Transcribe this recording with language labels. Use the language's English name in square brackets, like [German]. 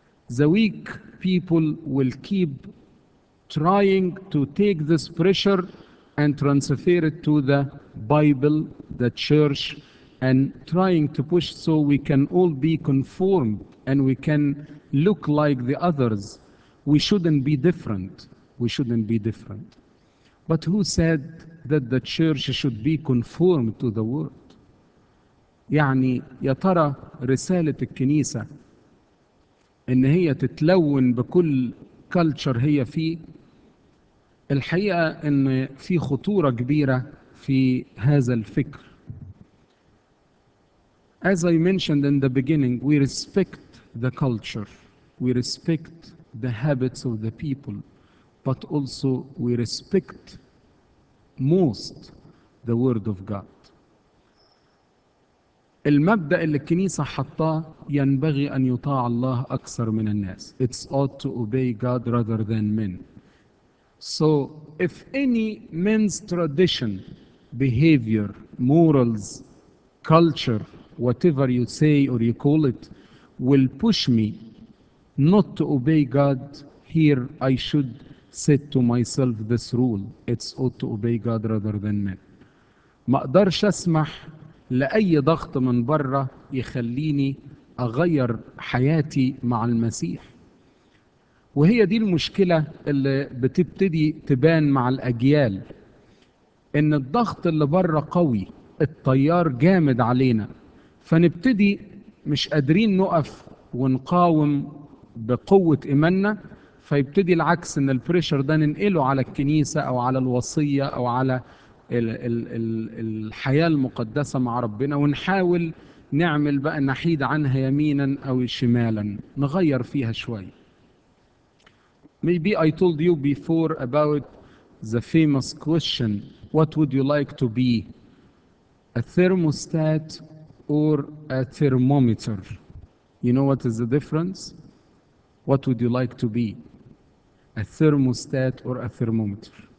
[English] The weak people will keep trying to take this pressure and transfer it to the Bible, the church, and trying to push so we can all be conformed and we can look like the others. We shouldn't be different. We shouldn't be different. But who said that the church should be conformed to the world? [Arabic] يعني يا ترى رسالة الكنيسة إن هي تتلون بكل كلتشر هي فيه؟ الحقيقة إن في خطورة كبيرة في هذا الفكر. [English] As I mentioned in the beginning, we respect the culture, we respect the habits of the people, but also we respect most the word of God. [Arabic] المبدأ اللي الكنيسة حطاه ينبغي أن يطاع الله أكثر من الناس. [English] It's ought to obey God rather than men. So if any man's tradition, behavior, morals, culture, whatever you say or you call it, will push me not to obey God, here I should set to myself this rule. It's ought to obey God rather than men. [Arabic] ما أقدرش أسمح لأي ضغط من برة يخليني أغير حياتي مع المسيح. وهي دي المشكلة اللي بتبتدي تبان مع الأجيال، إن الضغط اللي برة قوي، التيار جامد علينا، فنبتدي مش قادرين نقف ونقاوم بقوة إيماننا، فيبتدي العكس، إن البريشر ده ننقله على الكنيسة أو على الوصية أو على الحياة المقدسة مع ربنا، ونحاول نعمل بقى نحيد عنها يمينا أو شمالا، نغير فيها شوي. [English] Maybe I told you before about the famous question, what would you like to be, a thermostat or a thermometer? You know what is the difference? What would you like to be, a thermostat or a thermometer?